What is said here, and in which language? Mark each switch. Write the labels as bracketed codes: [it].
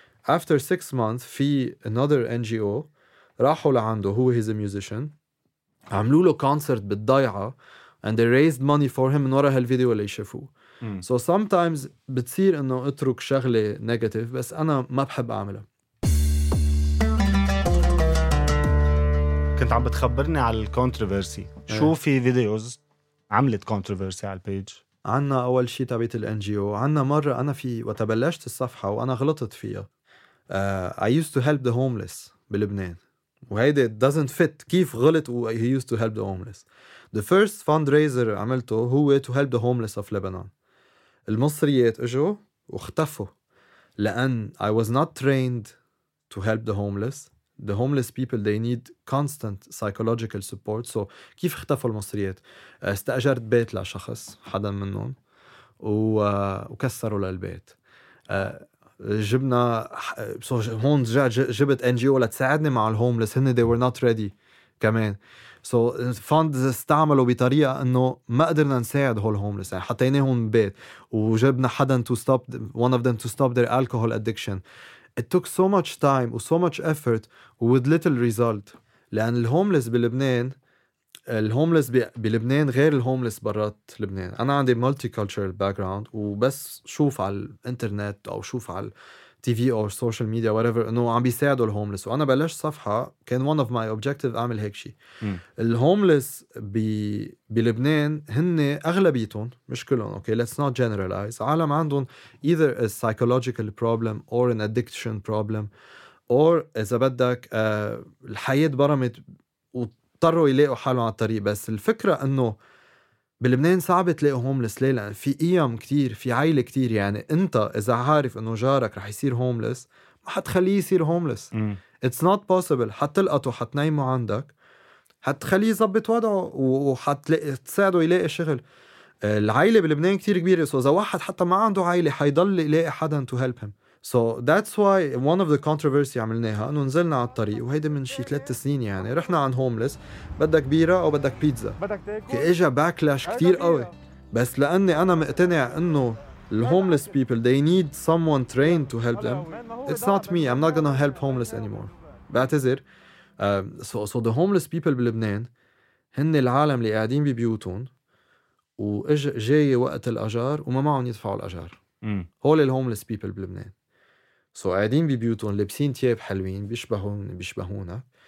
[en] After 6 months في another NGO [ar] راحوا لعنده, [en] هو he's a musician, عملوا له concert بالضيعة and they raised money for him [ar] من وراء هالفيديو اللي شافوه. So sometimes بتصير انه اترك شغلة negative بس انا ما بحب اعملها. كنت عم بتخبرني على الكونتروفيرسي, شو في فيديوز عملت كونتروفيرسي على البيج؟ عنا اول شيء تبعت الNGO, عنا مرة انا في وتبلشت الصفحة وانا غلطت فيها [en] I used to help the homeless [ar] بلبنان وهيدا [en] doesn't fit [ar] كيف غلط و [en] he used to help the homeless. The first fundraiser عملته هو to help the homeless of Lebanon. [ar] المصريات اجوا واختفوا لأن [en] I was not trained to help the homeless. The homeless people they need constant psychological support. [ar] So كيف اختفوا المصريات؟ استأجرت بيت لشخص حدا منهم وكسروا للبيت. جبنا هون جبت NGO لتساعدني مع الهوملس, هن [en] they were not ready [ar] كمان. So funds استعملوا بطريقة انه ما قدرنا نساعد هول هوملس, يعني حطيناهم بيت وجبنا حدا [en] to stop one of them to stop their alcohol addiction. It took so much time and so much effort with little result [ar] لأن الهوملس بلبنان, الهوملس بلبنان غير الهوملس برات لبنان. أنا عندي multicultural background وبس شوف على الانترنت أو شوف على TV أو social media whatever إنه عم بيساعدوا الهوملس, وأنا بلش صفحة كان [en] one of my objective [ar] أعمل هيك شيء. الهوملس بلبنان هن أغلبيتهم مش كلهم [en] okay let's not generalize, [ar] عالم عندهم [en] either a psychological problem or an addiction problem [ar] or إذا بدك الحياة برمت اضطروا يلاقوا حالهم على الطريق. بس الفكرة انه بلبنان صعب تلاقوا هوملس, ليه؟ لأن في قيم كتير, في عائلة كتير. يعني انت اذا عارف انه جارك رح يصير هوملس ما حتخليه يصير هوملس. [en] It's not possible. [ar] حتلقته حتنايمه عندك حتخليه يزبط وضعه وحتساعده يلاقي شغل. العائلة بلبنان كتير كبيرة, سو اذا واحد حتى ما عنده عائلة حيضل يلاقي حدا [en] to help him. [ar] So that's why one of the controversy عملناها انه نزلنا على الطريق وهيدا من شي 3 سنين, يعني رحنا عن هوملس بدك بيرة او بدك بيتزا بدك تاكل, اجا باكلاش كتير قوي. بس لاني انا مقتنع انه الهوملس [en] people they need someone trained to help them, it's not me, I'm not gonna help homeless anymore. [ar] بعتذر. [en] So the homeless people [ar] بلبنان هن العالم اللي قاعدين ببيوتهم وجاي وقت الأجار وما معهم يدفعوا الأجار. هول الهوملس بيبل بلبنان. سو قاعدين ببيوتهم لبسين تياب حلوين بيشبهونا.